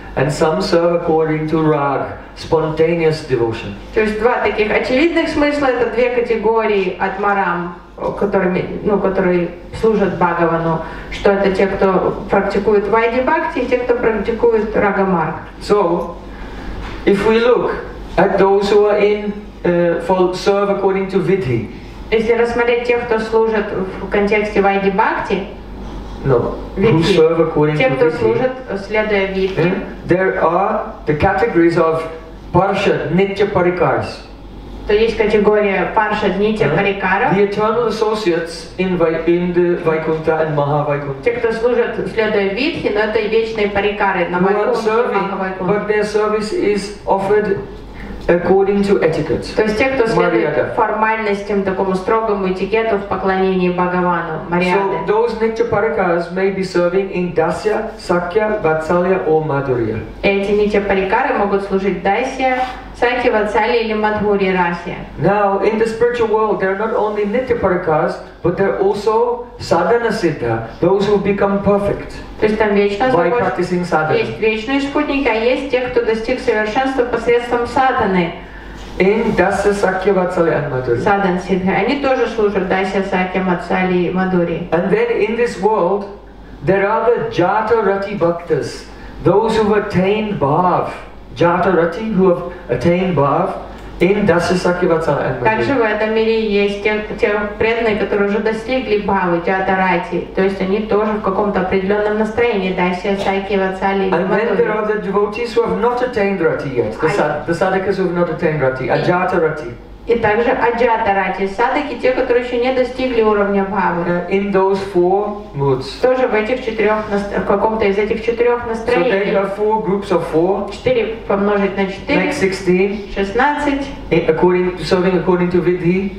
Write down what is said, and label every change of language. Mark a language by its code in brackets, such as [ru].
[en] And some serve according to rag, spontaneous devotion. [ru] То есть два таких очевидных смысла – это две категории атмарам, которые служат Бхагавану, что это те, кто практикует вайди бхакти, и те, кто практикует рагамарг. [en] So, if we look at those who are in serve according to vidhi. [ru] Если рассмотреть тех, кто служит в контексте вайди бхакти. [en] No, who serve according [ru] тем, [en] to Vidhi. Yeah? There are the categories of Parshad, Nitya Parikars. The eternal associates in the Vaikuntha and Mahavaikuntha. But their service is offered according to etiquette. [ru] То есть те, кто следует формальностям, такому строгому этикету в поклонении Бхагавану, Мариады. [en] So those Nitya Parikars may be serving in Dasya, Sakya, Vatsalya or Madhurya. [ru] Эти Nitya Parikары могут служить Dasya, Sakya, Vatsalya или Madhurya Rasya. [en] Now, in the spiritual world, there are not only Nitya Parikars, but there are also Sadhana Siddha, those who become perfect. [ru] То есть там есть вечные спутники, а есть те, кто достиг совершенства посредством садханы. [en] In Dasya, Sakya, Vatsalya and Madhurya. [ru] Садхан Сидха. Они тоже служат Dasya, Sakya, Vatsalya и Madhurya. [en] And then in this world, there are the Jata Rati Bhaktas, those who have attained Bhav. Jata Rati, who have attained Bhav, In Dasya Sakhi Vatsala and [ru] Также в этом мире есть те преданные, которые уже достигли Бхавы, Джатарати. То есть они тоже в каком-то определенном настроении, Дасья Сакхи Ватсали. [en] And then there are the devotees who have not attained Rati yet, the sadhakas who have not attained Rati, Ajatarati. [ru] И также Аджатарати, садаки, те, которые еще не достигли уровня Бхавы. [en] In those four moods. [ru] Тоже в этих четырех, в каком-то из этих четырех настроений. [en] So they have four groups of four. [ru] Четыре помножить на четыре. [en] Make 16. 16. Serving according to Vidhi.